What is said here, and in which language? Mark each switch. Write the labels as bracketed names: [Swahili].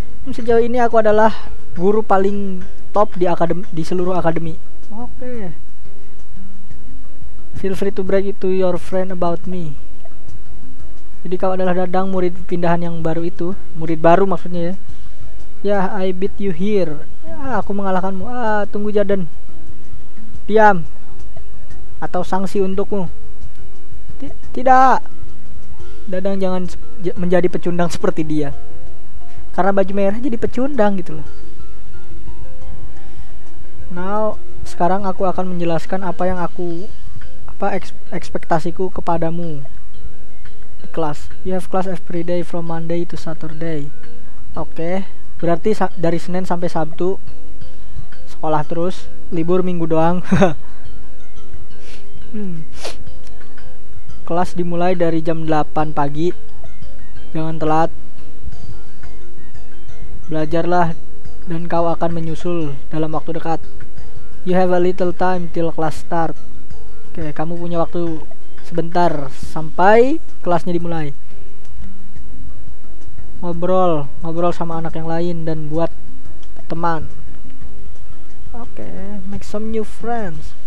[Indonesian] Sejauh ini aku adalah guru paling top di seluruh akademi. Oke. [English] Feel free to brag it to your friend about me. [Indonesian] Jadi kau adalah Dadang, murid pindahan yang baru itu. Murid baru maksudnya ya. [English] Yeah, I beat you here. [Indonesian] Aku mengalahkanmu. Tunggu Jaden. Diam. Atau sanksi untukmu. Tidak. Dadang jangan menjadi pecundang seperti dia. Karena baju merah jadi pecundang gitu loh. Now, sekarang aku akan menjelaskan apa yang aku ekspektasiku kepadamu. Di kelas. [English] You have class every day from Monday to Saturday. [Indonesian] Oke. Berarti dari Senin sampai Sabtu sekolah terus, libur minggu doang. Kelas dimulai dari jam 8 pagi. Jangan telat. Belajarlah dan kau akan menyusul dalam waktu dekat. [English] You have a little time till class start. [Indonesian] Oke, kamu punya waktu sebentar sampai kelasnya dimulai. Ngobrol sama anak yang lain dan buat teman. [English] Oke, make some new friends.